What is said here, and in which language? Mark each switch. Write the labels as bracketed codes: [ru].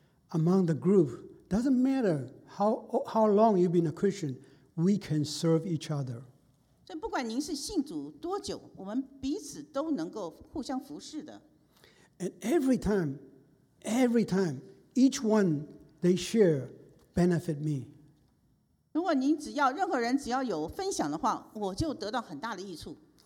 [en] Among the group, doesn't matter how long you've been a Christian, we can serve each other. [zh] 所以不管您是信主多久, 我们彼此都能够互相服侍的。 [en] And every time, each one they share benefit me. [zh] 如果您只要任何人只要有分享的话, 我就得到很大的益处。